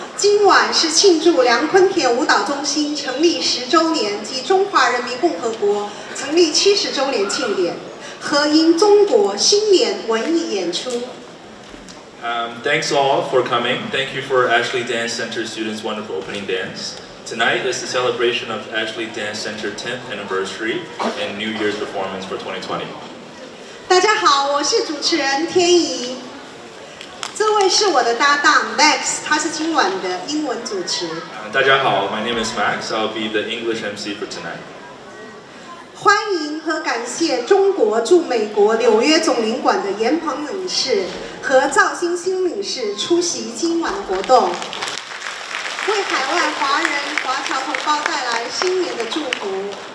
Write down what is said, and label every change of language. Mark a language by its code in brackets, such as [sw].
[zh] 今晚是庆祝梁坤铁舞蹈中心成立十周年及中华人民共和国成立七十周年庆典，合音中国新年文艺演出。 [en] Thanks all for coming. Thank you for Ashley Dance Center students' wonderful opening dance. Tonight is the celebration of Ashley Dance Center 10th anniversary and New Year's performance for 2020. [zh] 大家好，我是主持人天怡。这位是我的搭档 Max， 他是今晚的英文主持。大家好 [en] ，My name is Max. I'll be the English MC for tonight. [zh] 欢迎和感谢中国驻美国纽约总领馆的严鹏领事和赵星星领事出席今晚的活动，为海外华人华侨同胞带来新年的祝福。